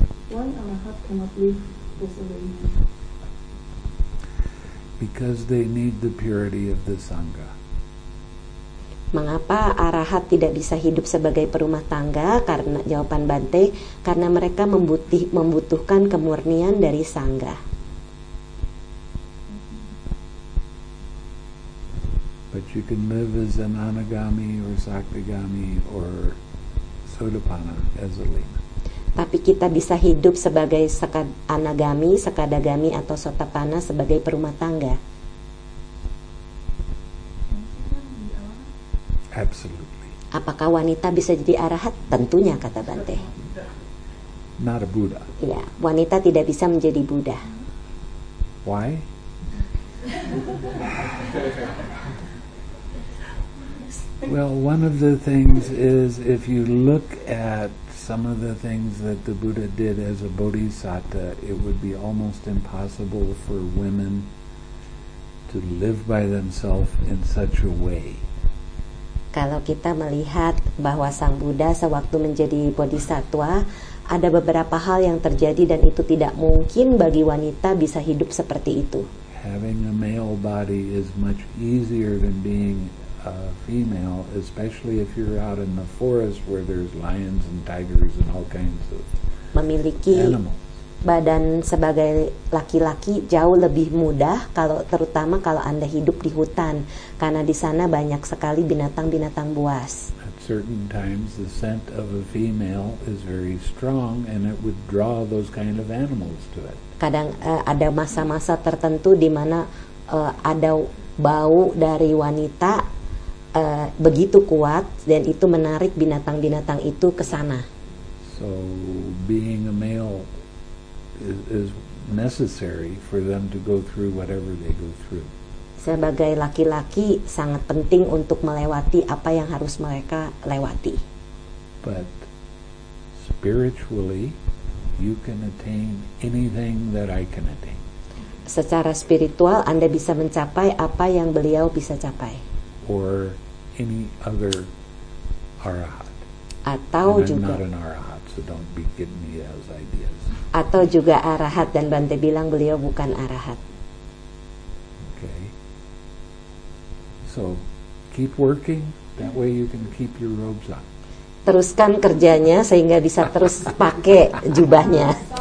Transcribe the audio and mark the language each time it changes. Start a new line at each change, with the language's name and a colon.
English: why our heart cannot live this way? Because they need the purity of the Sangha.
Indonesian: Mengapa arahat tidak bisa hidup sebagai perumah tangga? Karena jawaban Bante, karena mereka membutuhkan kemurnian dari sangga.
English: But you can live as an anagami or saktigami or sotapanna as a lima.
Indonesian: Tapi kita bisa hidup sebagai anagami, sakadagami atau sotapanna sebagai perumah tangga.
English: Absolutely.
Indonesian: Apakah wanita bisa jadi arahat? Tentunya, kata Bante.
English: Not a Buddha.
Indonesian: Ya, wanita tidak bisa menjadi Buddha.
English: Why? Well, one of the things is if you look at some of the things that the Buddha did as a bodhisattva, it would be almost impossible for women to live by themselves in such a way.
Indonesian: Kalau kita melihat bahwa Sang Buddha sewaktu menjadi bodhisattva, ada beberapa hal yang terjadi dan itu tidak mungkin bagi wanita bisa hidup seperti itu.
English: Having a male body is much easier than being a female, especially if you're out in the forest where there's lions and tigers and all kinds of
Indonesian: memiliki
English: animals.
Indonesian: Badan sebagai laki-laki jauh lebih mudah kalau terutama kalau Anda hidup di hutan karena di sana banyak sekali binatang-binatang buas.
English: At certain times the scent of a female is very strong and it would draw those kind of animals to it.
Indonesian: Kadang ada masa-masa tertentu di mana ada bau dari wanita begitu kuat dan itu menarik binatang-binatang itu ke sana.
English: So being a male is necessary for them to go through whatever they go through.
Indonesian: Sebagai laki-laki sangat penting untuk melewati apa yang harus mereka lewati.
English: But spiritually you can attain anything that I can attain.
Indonesian: Secara spiritual Anda bisa mencapai apa yang beliau bisa capai.
English: Or any other arahat.
Indonesian: Atau
English: and
Indonesian: juga
English: I'm not an arahat, so don't be giving me those ideas.
Indonesian: Atau juga arahat dan Bante bilang beliau bukan arahat.
English: Okay. So, keep working that way you can keep your robes on.
Indonesian: Teruskan kerjanya sehingga bisa terus pakai jubahnya.